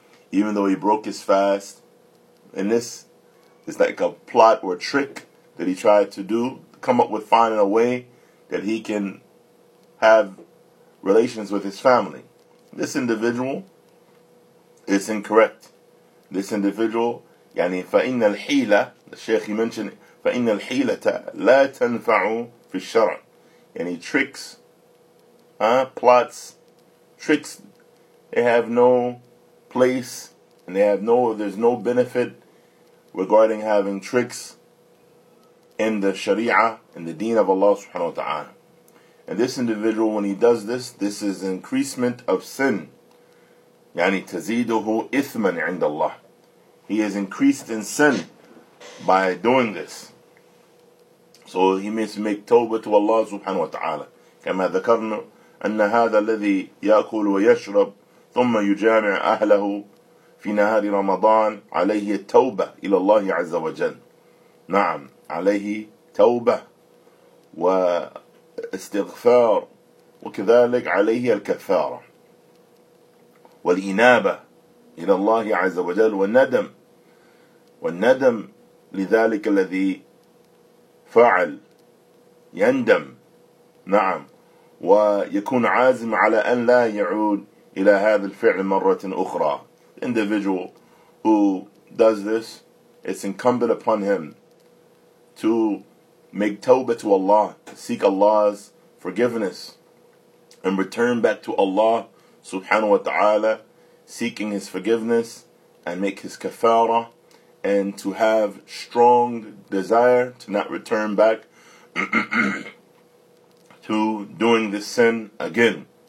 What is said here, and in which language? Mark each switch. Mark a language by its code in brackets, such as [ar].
[en] Even though he broke his fast, and this is like a plot or a trick that he tried to do, come up with finding a way that he can have relations with his family. This individual is incorrect. This individual, [ar] يعني فإن الحيلة, [en] the Sheikh he mentioned, [ar] فإن الحيلة لا تنفع في الشرع. [en] يعني tricks, plots, tricks, they have no place, and they have no, there's no benefit regarding having tricks in the Sharia, in the deen of Allah subhanahu wa ta'ala. And this individual, when he does this, this is an increasement of sin. [ar] يعني تزيده إثما عند الله. [en] He is increased in sin by doing this. So he means to make tawbah to Allah subhanahu wa ta'ala. [ar] كما ذكرنا أن هذا الذي يأكل ويشرب ثم يجامع أهله في نهار رمضان عليه التوبة إلى الله عز وجل. نعم عليه توبة واستغفار وكذلك عليه الكفارة والإنابة إلى الله عز وجل والندم والندم لذلك الذي فعل يندم نعم ويكون عازم على أن لا يعود إلى هذا الفعل مرة أخرى. [en] Individual who does this, it's incumbent upon him to make tawbah to Allah, to seek Allah's forgiveness, and return back to Allah subhanahu wa ta'ala, seeking his forgiveness, and make his kafara, and to have strong desire to not return back to doing this sin again.